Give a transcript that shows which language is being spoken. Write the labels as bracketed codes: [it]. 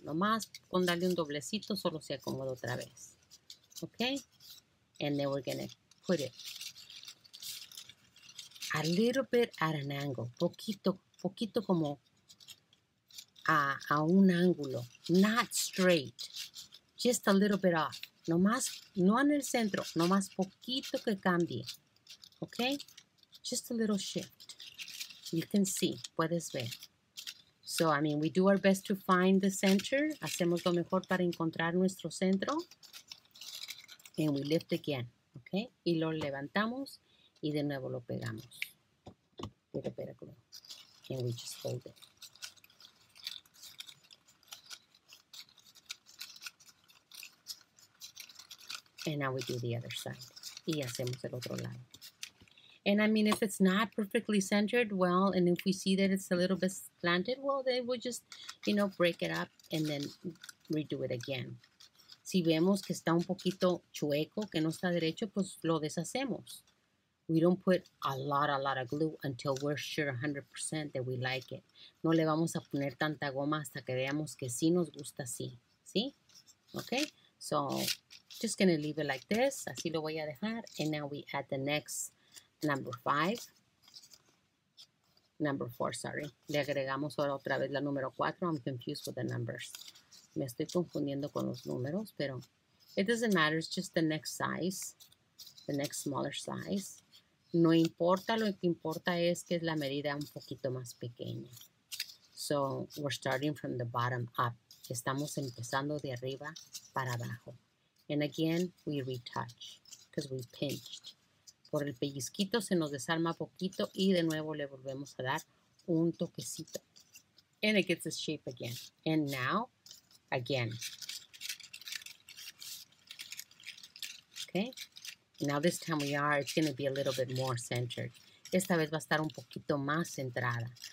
[es] Nomás con darle un doblecito, solo se acomoda otra vez. [en] Okay. And then we're going to put it a little bit at an angle. [es] Poquito, poquito como a un ángulo. [en] Not straight. Just a little bit off. [es] Nomás, no en el centro. Nomás poquito que cambie. [en] Okay? Just a little shift. You can see. [es] Puedes ver. [en] So, I mean, we do our best to find the center. [es] Hacemos lo mejor para encontrar nuestro centro. [en] And we lift again. Okay? [es] Y lo levantamos. Y de nuevo lo pegamos. [en] With a bit of glue. And we just hold it. And now we do the other side. [es] Y hacemos el otro lado. [en] And I mean, if it's not perfectly centered, well, and if we see that it's a little bit slanted, well, then we'll just, you know, break it up and then redo it again. [es] Si vemos que está un poquito chueco, que no está derecho, pues lo deshacemos. [en] We don't put a lot of glue until we're sure 100% that we like it. [es] No le vamos a poner tanta goma hasta que veamos que sí nos gusta así. ¿Sí? Okay? [en] So, just going to leave it like this. [es] Así lo voy a dejar. [en] And now we add the next number 5. Number 4, sorry. [es] Le agregamos ahora otra vez la número 4. [en] I'm confused with the numbers. [es] Me estoy confundiendo con los números, pero [en] it doesn't matter. It's just the next size. The next smaller size. [es] No importa. Lo que importa es que es la medida un poquito más pequeña. [en] So, we're starting from the bottom up. [es] Estamos empezando de arriba para abajo. [en] And again, we retouch because we pinched. [es] Por el pellizquito se nos desarma poquito y de nuevo le volvemos a dar un toquecito. [en] And it gets its shape again. And now, again. Okay. Now this time we are, it's going to be a little bit more centered. [es] Esta vez va a estar un poquito más centrada.